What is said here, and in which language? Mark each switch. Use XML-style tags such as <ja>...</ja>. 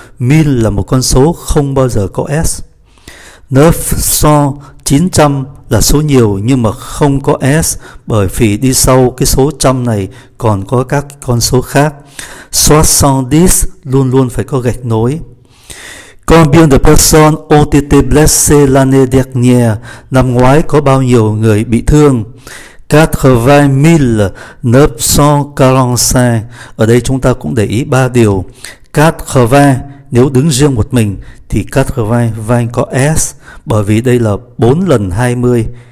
<vi>1000 là một con số không bao giờ có S. 900 là số nhiều nhưng mà không có S, bởi vì đi sau cái số trăm này còn có các con số khác. Soixante-dix luôn luôn phải có gạch nối.</vi> <fr>Combien de personnes ont été blessées l'année dernière?</fr> <vi>Năm ngoái có bao nhiêu người bị thương? 80.945. Ở đây chúng ta cũng để ý 3 điều. 80, nếu đứng riêng một mình thì 80 có S, bởi vì đây là 4 lần 20.</vi>